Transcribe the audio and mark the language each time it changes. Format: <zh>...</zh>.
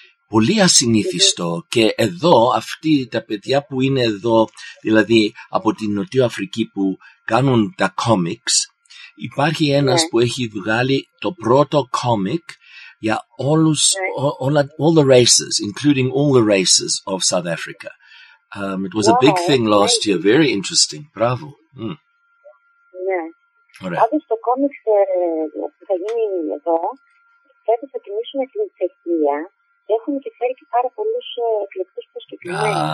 <el>Πολύ ασυνήθιστο. Mm-hmm. Και εδώ, αυτοί τα παιδιά που είναι εδώ, δηλαδή από την Νότια Αφρική που κάνουν τα comics, υπάρχει ένας, ναι, που έχει βγάλει το πρώτο comic για όλους,</el> <en>yeah, all the races, including all the races of South Africa. It was, wow, a big thing last, yeah, year, very interesting. Bravo. Mm.</en> <el>Yeah. Ωραία. Άντως, το κόμιξ που θα γίνει εδώ, πρέπει να κινήσουμε την Τσεχία και έχουμε και φέρει και πάρα πολλούς εκλεκτούς προσκεκλημένους.</el>